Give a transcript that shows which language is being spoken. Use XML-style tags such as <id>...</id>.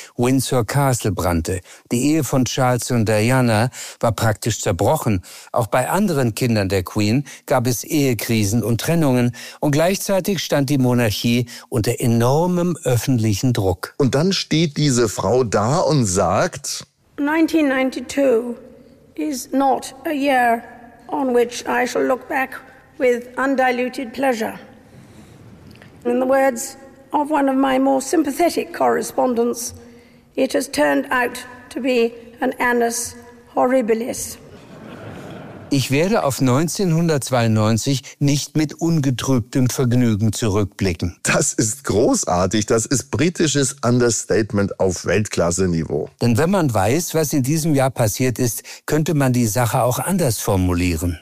<de>Windsor Castle brannte, die Ehe von Charles und Diana war praktisch zerbrochen. Auch bei anderen Kindern der Queen gab es Ehekrisen und Trennungen und gleichzeitig stand die Monarchie unter enormem öffentlichen Druck. Und dann steht diese Frau da und sagt...</de> <en>1992 is not a year on which I shall look back with undiluted pleasure. In the words of one of my more sympathetic correspondents, it has turned out to be an annus horribilis.</en> <de>Ich werde auf 1992 nicht mit ungetrübtem Vergnügen zurückblicken. Das ist großartig. Das ist britisches Understatement auf Weltklasse-Niveau. Denn wenn man weiß, was in diesem Jahr passiert ist, könnte man die Sache auch anders formulieren.</de>